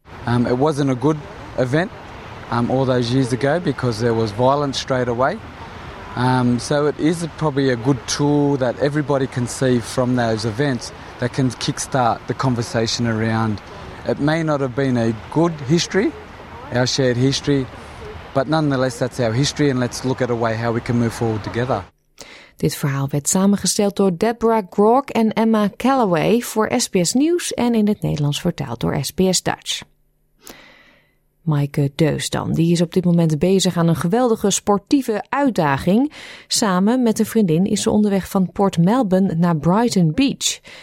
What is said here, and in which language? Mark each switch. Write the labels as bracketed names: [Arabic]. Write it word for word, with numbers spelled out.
[English] Um, it wasn't a good event. Um, all those years ago because there was violence straight away. Um, so it is probably a good tool that everybody can see from those events that can kickstart the conversation around. It may not have been a good history, our shared history, but nonetheless that's our history and let's look at a way how we can move forward together. [Dutch] Dit verhaal werd samengesteld door Deborah Grog en Emma Callaway voor S B S Nieuws en in het Nederlands vertaald door S B S Dutch. Maaike Deus dan, die is op dit moment bezig aan een geweldige sportieve uitdaging. Samen met een vriendin is ze onderweg van Port Melbourne naar Brighton Beach.